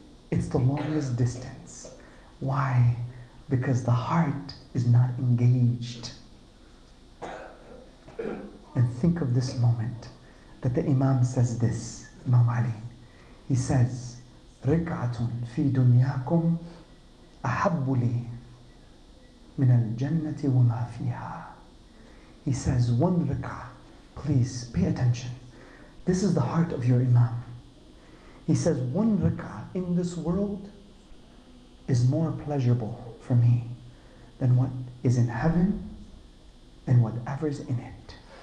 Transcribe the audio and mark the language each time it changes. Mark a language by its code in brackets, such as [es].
[en] It's the longest distance. Why? Because the heart is not engaged. And think of this moment that the Imam says this, Imam Ali. He says, [ar] رِكْعَةٌ فِي دُنْيَاكُمْ أَحَبُّ لِي مِنَ الْجَنَّةِ وَمَا فِيهَا. [en] He says, one rak'ah, please pay attention. This is the heart of your Imam. He says, one rak'ah in this world is more pleasurable for me than what is in heaven and whatever's in it.